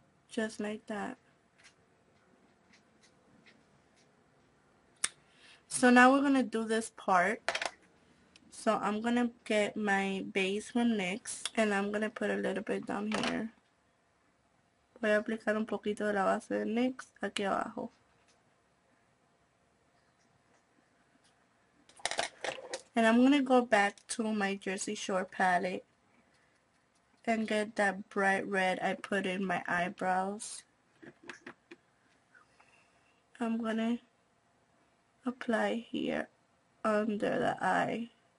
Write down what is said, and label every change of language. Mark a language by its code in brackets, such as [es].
[en] Just like that. So now we're gonna do this part. So I'm gonna get my base from NYX and I'm gonna put a little bit down here. [es] Voy a aplicar un poquito de la base de NYX aquí abajo. [en] And I'm gonna go back to my Jersey Shore palette and get that bright red I put in my eyebrows. I'm gonna apply here under the eye.